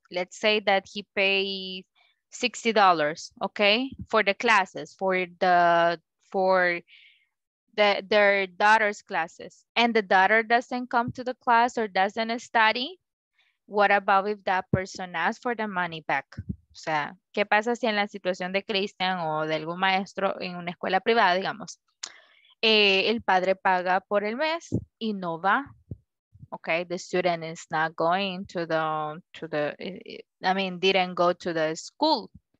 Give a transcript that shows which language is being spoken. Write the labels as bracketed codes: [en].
[en] Let's say that he pays $60, okay, for the classes, for their daughter's classes, and the daughter doesn't come to the class or doesn't study. What about if that person asks for the money back? [es] O sea, ¿qué pasa si en la situación de Christian o de algún maestro en una escuela privada, digamos, el padre paga por el mes y no va? [en] Okay, the student is not going to the school.